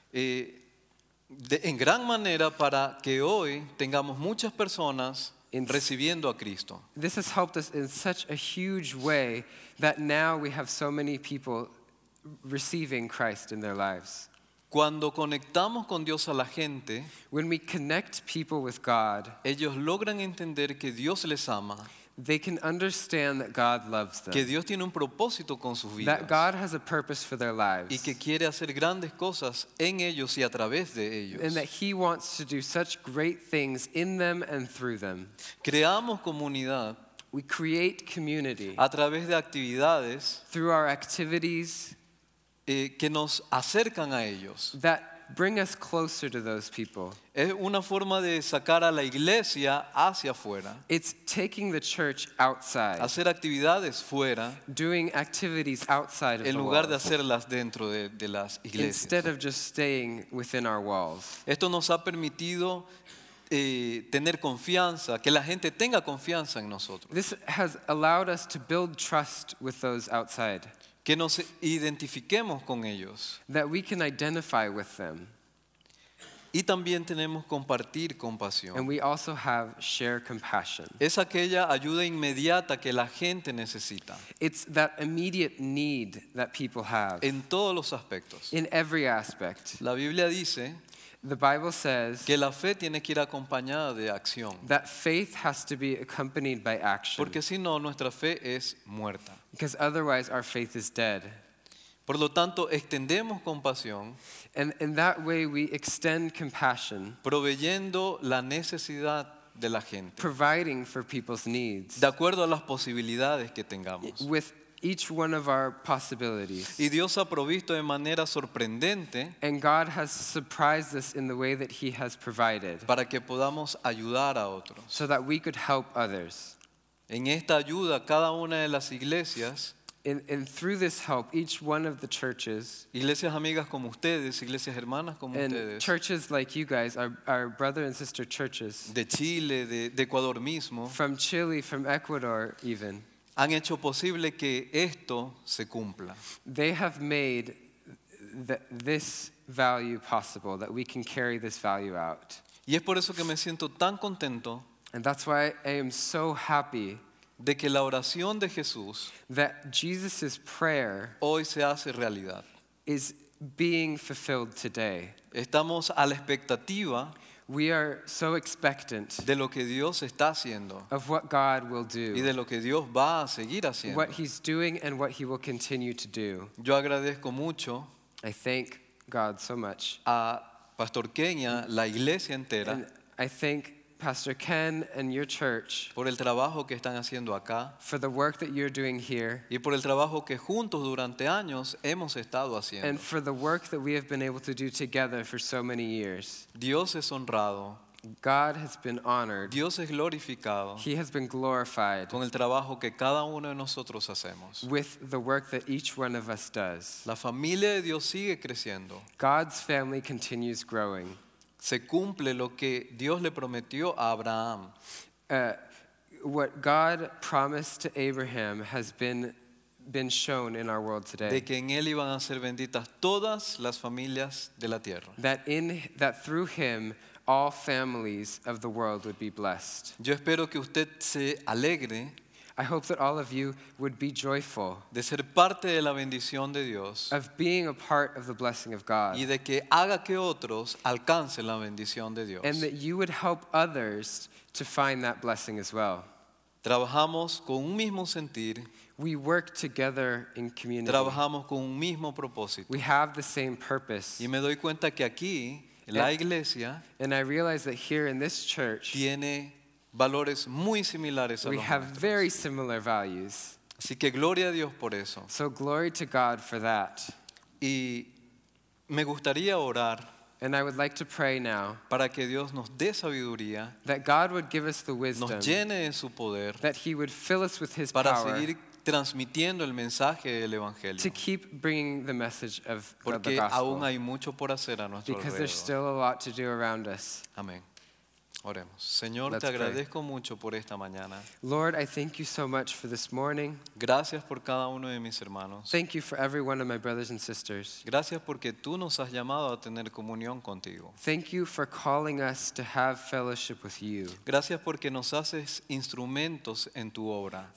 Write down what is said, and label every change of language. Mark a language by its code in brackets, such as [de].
[es] En gran manera para que hoy tengamos muchas personas recibiendo a Cristo. [en] This has helped us in such a huge way that now we have so many people receiving Christ in their lives. [es] Cuando conectamos con Dios a la gente, [en] when we connect people with God, [es] ellos logran entender que Dios les ama. [en] They can understand that God loves them. [es] Que Dios tiene un propósito con sus vidas. [en] That God has a purpose for their lives. [es] Y que quiere hacer grandes cosas en ellos y a través de ellos. [en] And that he wants to do such great things in them and through them. [es] Creamos comunidad. [en] We create community. [es] A través de actividades. [en] Through our activities. [es] Que nos acercan a ellos. [en] That bring us closer to those people. [es] Es una forma de sacar a la iglesia hacia afuera. [en] It's taking the church outside. [es] Hacer actividades fuera. [en] Doing activities outside of the walls. [es] En lugar de hacerlas dentro de las iglesias. [en] Instead of just staying within our walls. [es] Esto nos ha permitido tener confianza, que la gente tenga confianza en nosotros. [en] This has allowed us to build trust with those outside. [es] Que nos identifiquemos con ellos. [en] That we can identify with them. [es] Y también tenemos compartir compasión. [en] And we also have share compassion. [es] Es aquella ayuda inmediata que la gente necesita. [en] It's that immediate need that people have. [es] En todos los aspectos. [en] In every aspect. [es] La Biblia dice. [en] The Bible says. [es] Que la fe tiene que ir acompañada de acción. [en] That faith has to be accompanied by action. [es] Porque si no, nuestra fe es muerta. [en] Because otherwise our faith is dead. [es] Por lo tanto, extendemos compasión. [en] And in that way we extend compassion. [es] Proveyendo la necesidad de la gente. [en] Providing for people's needs. [es] De acuerdo a las posibilidades que tengamos. [en] With each one of our possibilities. [es] Y Dios ha provisto de manera sorprendente. [en] And God has surprised us in the way that he has provided. [es] Para que podamos ayudar a otros. [en] So that we could help others. [es] En esta ayuda, cada una de las iglesias, [en] and through this help, each one of the churches, [es] iglesias amigas como ustedes, iglesias hermanas como [en] and [es] ustedes, [en] churches like you guys, our brother and sister churches, [es] de Chile, de Ecuador mismo, [en] from Chile, from Ecuador even, [es] han hecho posible que esto se cumpla. [en] They have made this value possible, that we can carry this value out. [es] Y es por eso que me siento tan contento. [en] And that's why I am so happy [es] de que la oración de Jesús, [en] that Jesus's prayer, [es] hoy se hace realidad, [en] is being fulfilled today. [es] Estamos a la expectativa, [en] we are so expectant, [es] de lo que Dios está haciendo, [en] of what God will do, [es] y de lo que Dios va a seguir haciendo, [en] what he's doing and what he will continue to do. [es] Yo agradezco mucho, [en] I thank God so much, [es] a Pastor Kenia, la iglesia entera, [en] I thank Pastor Ken and your church, [es] por el trabajo que están haciendo acá, [en] for the work that you're doing here, [es] y por el trabajo que juntos durante años hemos estado haciendo, [en] and for the work that we have been able to do together for so many years. [es] Dios es honrado. [en] God has been honored. [es] Dios es glorificado. [en] He has been glorified. [es] Con el trabajo que cada uno de nosotros hacemos. [en] With the work that each one of us does. [es] La familia de Dios sigue creciendo. [en] God's family continues growing. [es] Se cumple lo que Dios le prometió a Abraham. [en] What God promised to Abraham has been shown in our world today. [es] De que en él iban a ser benditas todas las familias de la tierra. [en] That through him all families of the world would be blessed. [es] Yo espero que usted se alegre. [en] I hope that all of you would be joyful. [es] De ser parte de la bendición de Dios. [en] Of being a part of the blessing of God. [es] Y de que haga que otros alcancen la bendición de Dios. [en] And that you would help others to find that blessing as well. [es] Trabajamos con un mismo sentir. [en] We work together in community. [es] Trabajamos con un mismo propósito. [en] We have the same purpose. [es] Y me doy cuenta que aquí, en la iglesia, [en] and I realize that here in this church, [es] tiene valores muy similares a [en] we [es] los [en] have [es] nuestros. [en] Very similar values. [es] Así que gloria a Dios por eso. [en] So glory to God for that. [es] Y me gustaría orar, [en] and I would like to pray now, [es] para que Dios nos dé sabiduría, [en] that God would give us the wisdom, [es] nos llene de su poder, [en] that he would fill us with his [es] para [en] power, [es] seguir transmitiendo el mensaje del evangelio, [en] to keep bringing the message of [es] porque [en] the gospel, [es] aún hay mucho por hacer a nuestro [en] because [es] alrededor. [en] There's still a lot to do around us. [es] Amén. Oremos. Señor, te agradezco mucho por esta mañana. [en] Lord, I thank you so much for this morning. [es] Gracias por cada uno de mis hermanos. [en] Thank you for every one of my brothers and sisters. [es] Gracias porque tú nos has llamado a tener comunión contigo. [en] Thank you for calling us to have fellowship with you. [es] Gracias porque nos haces instrumentos en tu obra.